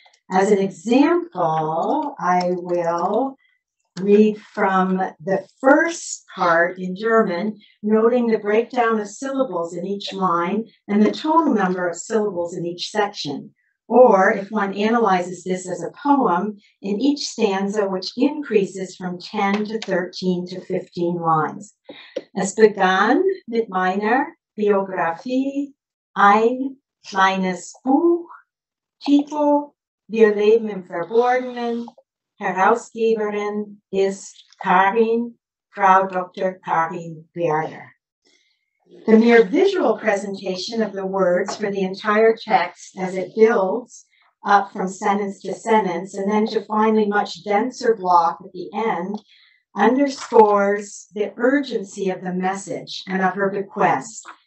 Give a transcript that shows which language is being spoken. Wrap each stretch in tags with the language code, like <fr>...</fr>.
<en>As an example, I will read from the first part in German, noting the breakdown of syllables in each line and the total number of syllables in each section. Or if one analyzes this as a poem, in each stanza, which increases from 10 to 13 to 15 lines.</en> <de>Es begann mit meiner Biografie, ein kleines Buch, Titel, Wir leben im Verborgenen, Herausgeberin ist Karin, Frau Dr. Karin Berger.</de> <en>The mere visual presentation of the words for the entire text as it builds up from sentence to sentence and then to finally much denser block at the end underscores the urgency of the message and of her bequest.</en>